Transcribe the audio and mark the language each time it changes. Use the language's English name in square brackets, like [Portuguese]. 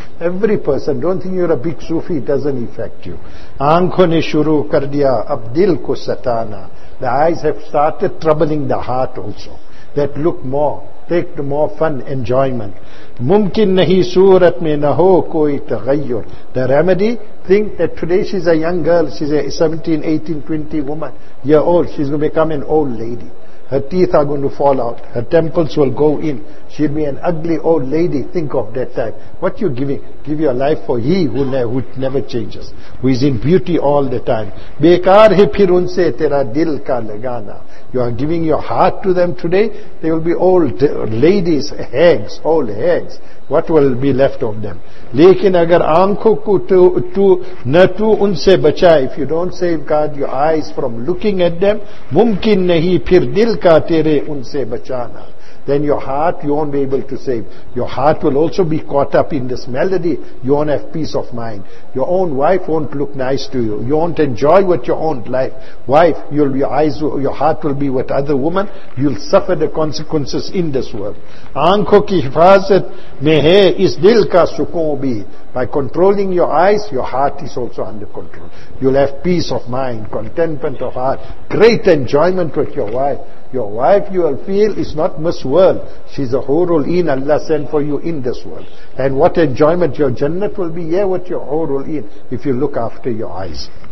[English] Every person, don't think you're a big Sufi, it doesn't affect you. [Urdu] آنکھوں نے شروع کر دیا اب دل کو ستانا. [English] The eyes have started troubling the heart also. That look more, take more fun, enjoyment. [Urdu] ممکن نہیں صورت میں نہ ہو کوئی تغیر. [English] The remedy, think that today she's a young girl, she's a 17, 18, 20 woman, year old, she's going to become an old lady. Her teeth are going to fall out, her temples will go in, she'll be an ugly old lady, think of that time. What you giving? Give your life for he who never changes, who is in beauty all the time. [Urdu] بیکار ہے پھر ان سے تیرا دل کا لگانا. [English] You are giving your heart to them today, they will be old ladies, hags, old hags. What will be left of them? [Urdu] لیکن اگر آنکھوں کو تو نہ تو ان سے بچائے, [English] if you don't safeguard your eyes from looking at them, [Urdu] ممکن نہیں پھر دل کا تیرے ان سے بچانا. [English] Then your heart, you won't be able to save. Your heart will also be caught up in this melody. You won't have peace of mind. Your own wife won't look nice to you. You won't enjoy with your own life. Wife, your heart will be with other woman. You'll suffer the consequences in this world. [Urdu] آنکھوں کی حفاظت میں ہے اس دل کا سکون بھی. [English] By controlling your eyes, your heart is also under control. You'll have peace of mind, contentment of heart, great enjoyment with your wife. Your wife, you will feel, is not Miss World. She's a Hurul Een Allah sent for you in this world. And what enjoyment your Jannat will be here with your Hurul Een if you look after your eyes.